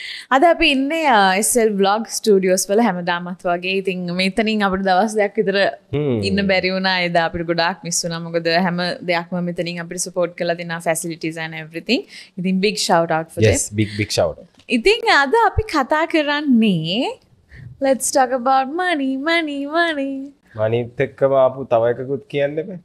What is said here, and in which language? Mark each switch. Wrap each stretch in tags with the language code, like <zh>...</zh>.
<si>අද අපි ඉන්නේ SL vlog studios වල හැමදාමත් වගේ. ඉතින් මෙතනින් අපිට දවස් දෙකක් විතර ඉන්න බැරි වුණා. එදා අපිට ගොඩාක් මිස් වුණා. මොකද හැම දෙයක්ම මෙතනින් අපිට support කරලා දෙනවා,</si> <en>facilities and everything.</en> <si>ඉතින්</si> <en>big shout out for yes, them. big shout out.</en> <si>ඉතින් අද අපි කතා කරන්නේ</si> <en>let's talk about money money money.</en> <si>money එක්කම ආපු තව එකකුත් කියන්න එපා.</si>